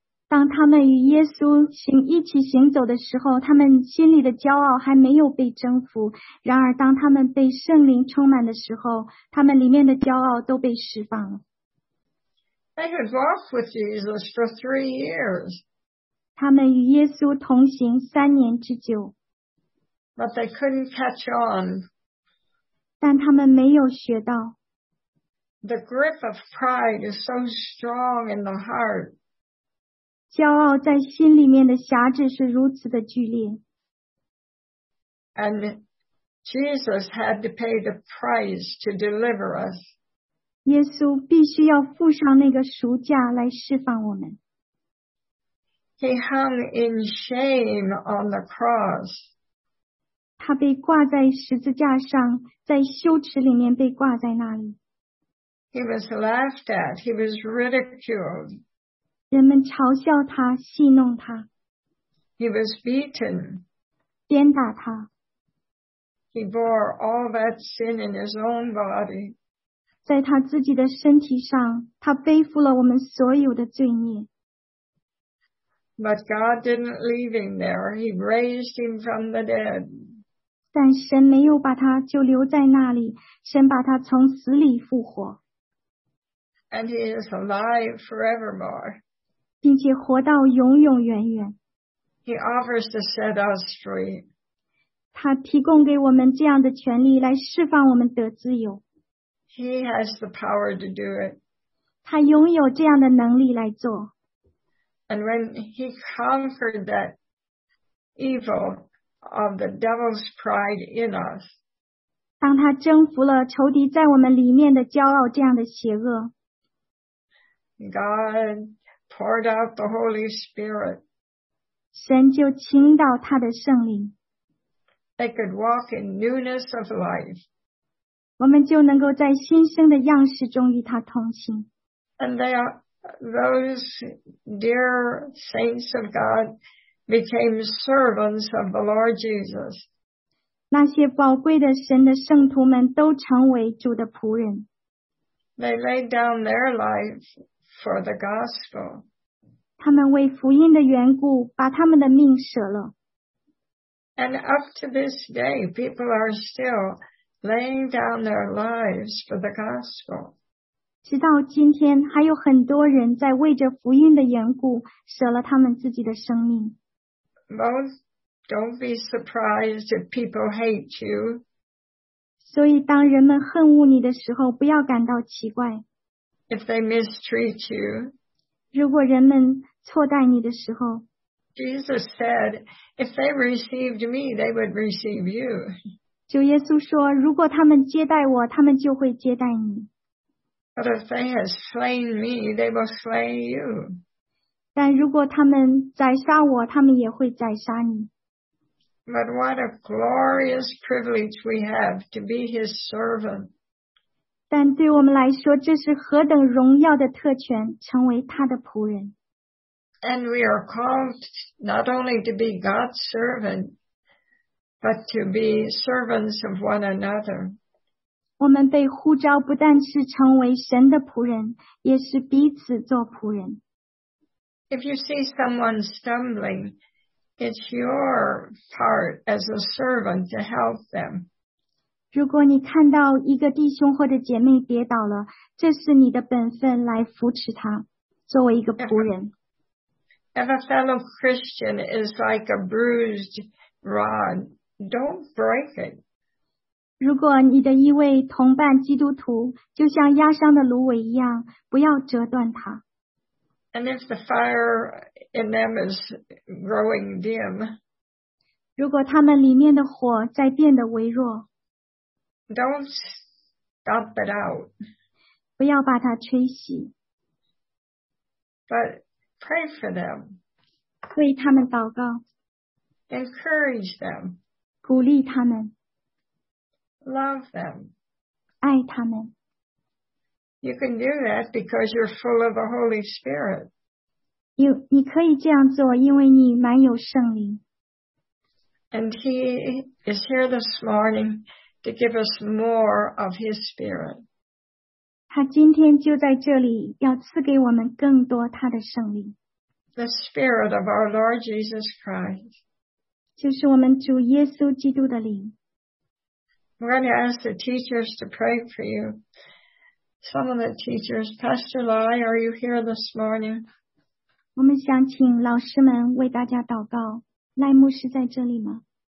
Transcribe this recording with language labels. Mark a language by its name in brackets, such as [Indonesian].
[Chinese] 当他们与耶稣一起行走的时候，他们心里的骄傲还没有被征服，然而当他们被圣灵充满的时候，他们里面的骄傲都被释放了。 [English] They had walked with Jesus for 3 years. [Chinese] 他们与耶稣同行三年之久。 [English] But they couldn't catch on. [Chinese] 但他们没有学到。 [English] The grip of pride is so strong in the heart. [Chinese] 骄傲在心里面的辖制是如此的剧烈。 [English] And Jesus had to pay the price to deliver us. [Chinese] 耶稣必须要付上那个赎价来释放我们。 [English] He hung in shame on the cross. [Chinese] 他被挂在十字架上，在羞耻里面被挂在那里。 [English] He was laughed at. He was ridiculed. [Chinese] 人们嘲笑他，戏弄他。 [English] He was beaten. [Chinese] 鞭打他。 [English] He bore all that sin in his own body. [Chinese] 在他自己的身体上，他背负了我们所有的罪孽。 [English] But God didn't leave him there. He raised him from the dead. [Chinese] 但神没有把他就留在那里，神把他从死里复活。 [English] And he is alive forevermore. [Chinese] 并且活到永永远远。 [English] He offers to set us free. [Chinese] 他提供给我们这样的权利来释放我们得自由。 [English] He has the power to do it. [Chinese] 他拥有这样的能力来做。 [English] And when he conquered that evil of the devil's pride in us, [Chinese] 当他征服了仇敌在我们里面的骄傲这样的邪恶。 [English] God poured out the Holy Spirit. [Chinese] 神就倾倒他的圣灵。 [English] They could walk in newness of life. [Chinese] 我们就能够在新生的样式中与他同行。 [English] And they are, those dear saints of God became servants of the Lord Jesus. [Chinese] 那些宝贵的神的圣徒们都成为主的仆人。 [English] They laid down their life for the gospel. [Chinese] 他们为福音的缘故把他们的命舍了。 [English] And up to this day, people are still laying down their lives for the gospel. [Chinese] 直到今天，还有很多人在为着福音的缘故舍了他们自己的生命。 [English] Don't be surprised if people hate you. [Chinese] 所以当人们恨恶你的时候，不要感到奇怪。 [English] If they mistreat you. [Chinese] 如果人们错待你的时候。 [English] Jesus said, if they received me, they would receive you. [Chinese] 主耶稣说，如果他们接待我，他们就会接待你。 [English] But if they have slain me, they will slay you. [Chinese] 但如果他们宰杀我，他们也会宰杀你。 [English] But what a glorious privilege we have to be his servant. [Chinese] 但对我们来说，这是何等荣耀的特权，成为他的仆人。 [English] And we are called not only to be God's servant, but to be servants of one another. [Chinese] 我们被呼召不但是成为神的仆人，也是彼此做仆人。 [English] If you see someone stumbling, it's your part as a servant to help them. [Chinese] 如果你看到一个弟兄或者姐妹跌倒了，这是你的本分来扶持他，作为一个仆人。 [English] If a fellow Christian is like a bruised rod, don't break it. [Chinese] 如果你的一位同伴基督徒就像压伤的芦苇一样，不要折断它。 [English] And if the fire in them is growing dim, [Chinese] 如果他们里面的火在变得微弱， [English] don't stop it out. [Chinese] 不要把它吹熄。 [English] But pray for them. [Chinese] 为他们祷告。 [English] Encourage them. [Chinese] 鼓励他们。 [English] Love them. [Chinese] 爱他们。 [English] You can do that because you're full of the Holy Spirit. [Chinese] 你可以这样做，因为你满有圣灵。 [English] And he is here this morning to give us more of his Spirit. [Chinese] 他今天就在这里，要赐给我们更多他的圣灵。 [English] The Spirit of our Lord Jesus Christ. [Chinese] 就是我们主耶稣基督的灵。 [English] We're going to ask the teachers to pray for you. Some of the teachers, Pastor Lai, are you here this morning? [Chinese] 我们想请老师们为大家祷告。赖牧师在这里吗？